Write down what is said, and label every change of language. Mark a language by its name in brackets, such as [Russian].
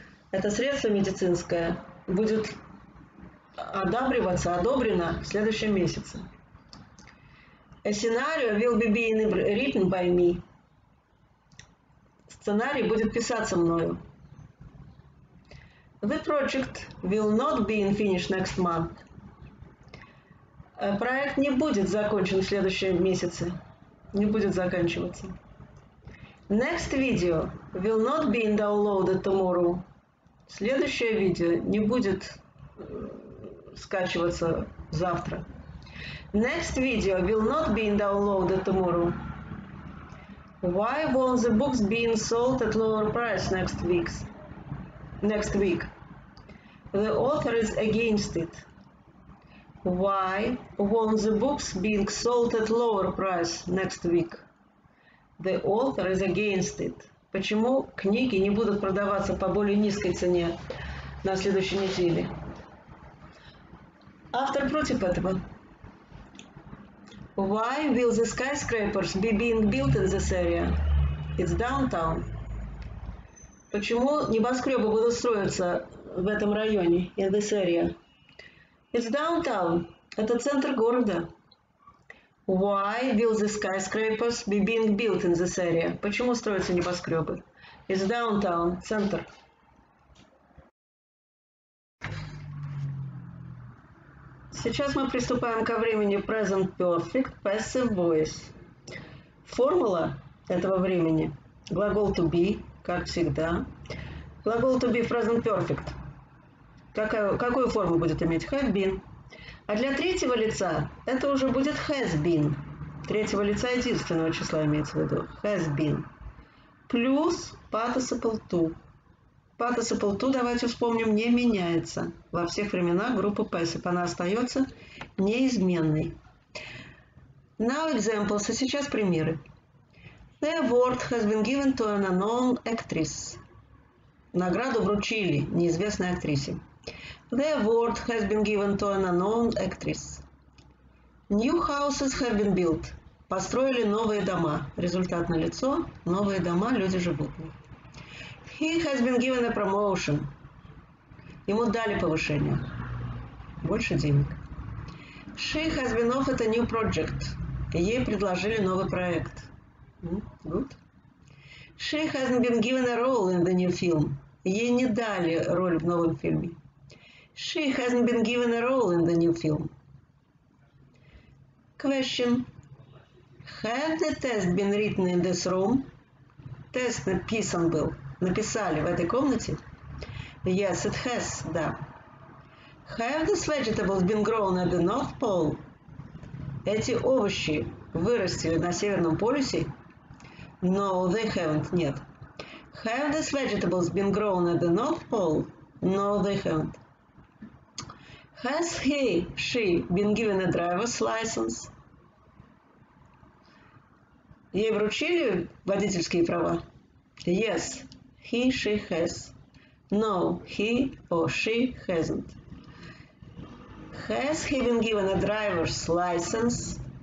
[Russian] Это средство медицинское будет одобрено в следующем месяце. [English] A scenario will be being written by me. [Russian] Сценарий будет писаться мною. [English] The project will not be in finished next month. [Russian] Проект не будет закончен в следующем месяце. Не будет заканчиваться. [English] Next video will not be downloaded tomorrow. [Russian] Следующее видео не будет скачиваться завтра. [English] Next video will not be downloaded tomorrow. Why won't the books be sold at lower price next week? The author is against it. Why won't the books be sold at lower price next week? The author is against it. [Russian] Почему книги не будут продаваться по более низкой цене на следующей неделе? Автор против этого. [English] Why will the skyscrapers be being built in this area? It's downtown. [Russian] Почему небоскребы будут строиться в этом районе, [English] in this area? It's downtown. [Russian] Это центр города. [English] Why will the skyscrapers be being built in this area? [Russian] Почему строятся небоскребы? [English] It's downtown, [Russian] центр. Сейчас мы приступаем ко времени Present Perfect Passive Voice. Формула этого времени – глагол to be, как всегда. Глагол to be в Present Perfect. Какую форму будет иметь? Have been. А для третьего лица это уже будет has been. Третьего лица единственного числа имеется в виду. Has been. Плюс participle to. Participle to, давайте вспомним, не меняется. Во всех временах группа passive. Она остается неизменной. [English] Now examples. [Russian] А сейчас примеры. [English] The award has been given to an unknown actress. [Russian] Награду вручили неизвестной актрисе. [English] The award has been given to an unknown actress. New houses have been built. [Russian] Построили новые дома. Результат налицо. Новые дома, люди живут. [English] He has been given a promotion. [Russian] Ему дали повышение. Больше денег. [English] She has been offered a new project. [Russian] Ей предложили новый проект. [English] Good. She has been given a role in the new film. [Russian] Ей не дали роль в новом фильме. [English] She hasn't been given a role in the new film. Question. Had the test been written in this room? [Russian] Тест написан был. Написали в этой комнате? [English] Yes, it has. [Russian] Да. [English] Have these vegetables been grown at the North Pole? [Russian] Эти овощи вырастили на Северном полюсе? [English] No, they haven't. [Russian] Нет. [English] Have these vegetables been grown at the North Pole? No, they haven't. Has he, she been given a driver's license? [Russian] Ей вручили водительские права? [English] Yes, he, she has. No, he or she hasn't. Has he been given a driver's license?